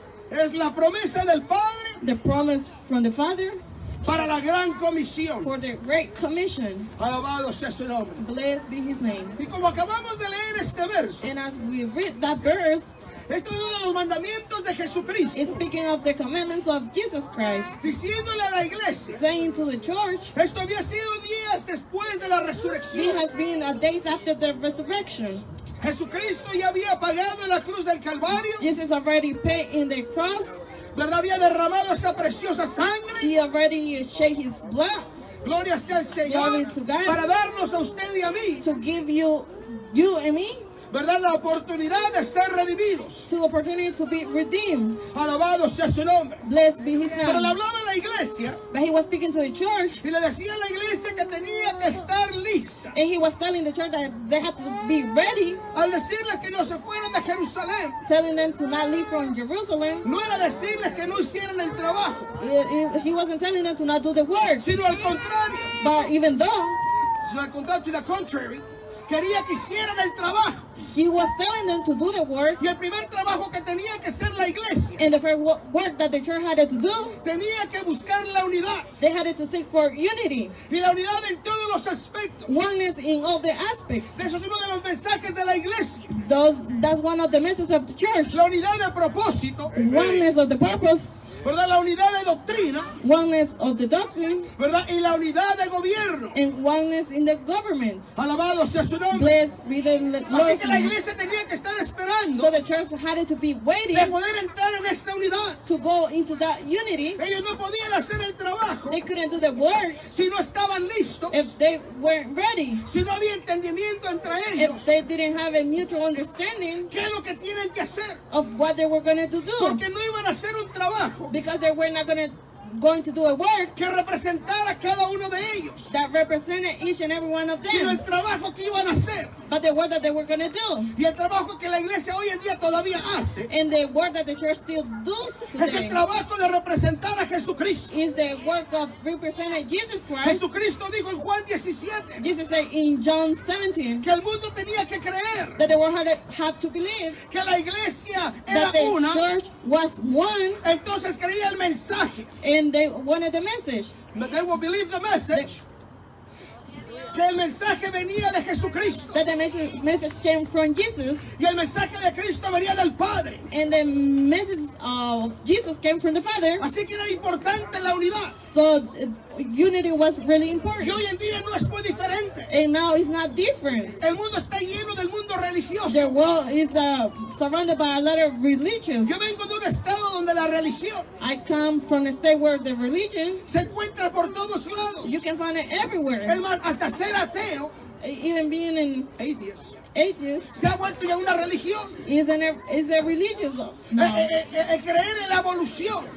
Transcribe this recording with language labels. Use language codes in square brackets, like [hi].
[es] es la promesa del Padre, [en] the promise from the Father, [es] para la gran comisión, [en] for the great commission. [es] Alabado sea su nombre. [en] Blessed be his name. [es] Y como acabamos de leer este verso, [en] and as we read that verse, [es] esto es uno de los mandamientos de Jesucristo. [en] It's speaking of the commandments of Jesus Christ. [es] Diciéndole a la iglesia. [en] Saying to the church. [es] Esto había sido días después de la resurrección. [en] It has been a days after the resurrection. [es] Jesucristo ya había pagado en la cruz del Calvario. [en] Jesus already paid in the cross. [es] ¿Verdad? Había derramado esa preciosa sangre. [en] He already shed his blood. [es] Gloria sea al Señor. [en] Glory to God. [es] Para darnos a usted y a mí. [en] To give you, you and me. [es] ¿Verdad? La oportunidad de ser redimidos. [en] To the opportunity to be redeemed. [es] Alabado sea su nombre. [en] Blessed be his name. [es] Pero le hablaba a la iglesia. [en] But he was speaking to the church. [es] Y le decía a la iglesia que tenía que estar lista. [en] And he was telling the church that they had to be ready. [es] Al decirles que no se fueran de Jerusalén. [en] Telling them to not leave from Jerusalem. [es] No era decirles que no hicieran el trabajo. [en] He wasn't telling them to not do the work. [es] Sino al contrario. [en] But even though. [es] Sino al contrario, [en] to the contrary. [es] Quería que hicieran el trabajo. [en] He was telling them to do the work. [es] Y el primer trabajo que tenía que hacer la iglesia. [en] And the first work that the church had to do. [es] Tenía que buscar la unidad. [en] They had to seek for unity. [es] Y la unidad en todos los aspectos. [en] Oneness in all the aspects. [es] Eso es uno de los mensajes de la iglesia. [en] That's one of the messages of the church. [es] La unidad de propósito. [en] Oneness of the purpose. [es] ¿Verdad? La unidad de doctrina. [en] Oneness of the doctrine. [es] ¿Verdad? Y la unidad de gobierno. [en] And oneness in the government. [es] Alabado sea su nombre. [en] Blessed be the Lord. [es] Así que la iglesia tenía que estar esperando. [en] So the church had to be waiting. [es] De poder entrar en esta unidad. [en] To go into that unity. [es] Ellos no podían hacer el trabajo. [en] They couldn't do the work. [es] Si no estaban listos. [en] If they weren't ready. [es] Si no había entendimiento entre ellos. [en] If they didn't have a mutual understanding. [es] ¿Qué es lo que tienen que hacer? [en] Of what they were going to do. [es] Porque no iban a hacer un trabajo. [en] Because they were not going to do a work [es] que representara cada uno de ellos. [en] That represented each and every one of them. [es] Sino el trabajo que iban a hacer. [en] But the work that they were going to do. [es] Y el trabajo que la iglesia hoy en día todavía hace. [en] And the work that the church still does today. [es] Es el trabajo de representar a Jesucristo. [en] Is the work of representing Jesus Christ. [es] Jesucristo dijo en Juan 17. [en] Jesus said in John 17. [es] Que el mundo tenía que creer. [en] That the world had to believe. [es] Que la iglesia era [en] that the [es] una. [en] The church was one. [es] Entonces creía el mensaje. [en] And they wanted the message. But they will believe the message. [es] Que el mensaje venía de Jesucristo. [en] That the message came from Jesus. [es] Y el mensaje de Cristo venía del Padre. [en] And the message of Jesus came from the Father. [es] Así que era importante la unidad. [en] So unity was really important. [es] Y hoy en día no es muy diferente. [en] And now it's not different. [es] El mundo está lleno del mundo religioso. [en] The world is surrounded by a lot of religions. [es] Yo vengo de un estado donde la religión. [en] I come from a state where the religion. [es] Se encuentra por todos lados. [en] You can find it everywhere. [es] El más, hasta ser ateo. [en] Even being an atheist. Atheist. [es] Se ha vuelto ya una religión. [en] Is a religious. No. [es] Creer en la evolución.